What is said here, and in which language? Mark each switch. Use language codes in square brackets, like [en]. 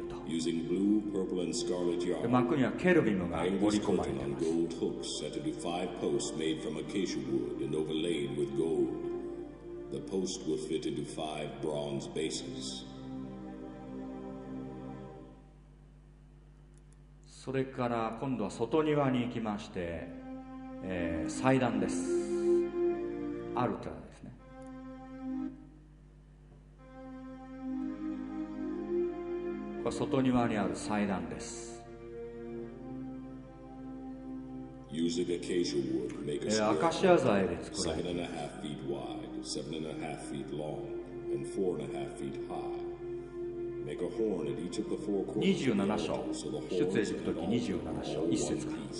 [en] using blue, purple, and scarlet yarn. Hang this curtain on gold hooks set into five posts made from acacia wood and overlaid with gold. The post will fit into five bronze bases. [ja] それから今度は外庭に行きまして、祭壇です。アルタですね。外庭にある祭壇です。 [en] Using acacia wood, make a square seven and a half feet wide, seven and a half feet long, and four and a half feet high. Make a horn at each of the four corners. [ja] 27章出エジプト記27章1節から。